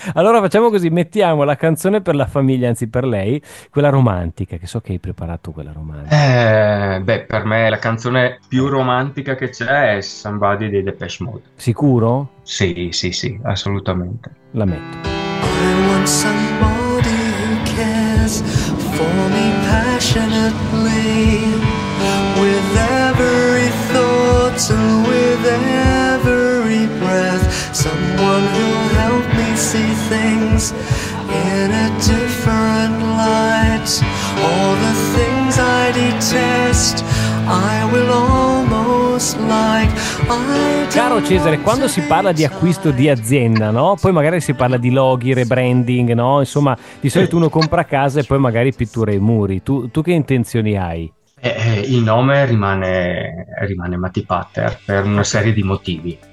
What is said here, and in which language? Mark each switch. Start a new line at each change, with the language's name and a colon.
Italian: Allora facciamo così, mettiamo la canzone per la famiglia, anzi per lei, quella romantica, che so che hai preparato quella romantica. Per me la canzone più romantica che c'è è Somebody dei Depeche Mode. Sicuro? Sì, assolutamente. La metto.
English: I want somebody who cares for me passionately, with every thought and with every breath. Someone who'll help me see things in a different light. All the things I detest I will almost like.
Italian: Caro Cesare, quando si parla di acquisto di azienda, no? Poi magari si parla di loghi, rebranding, no? Insomma, di solito uno compra casa e poi magari pittura i muri. Tu che intenzioni hai? Il nome rimane Matty Pater per una serie di motivi.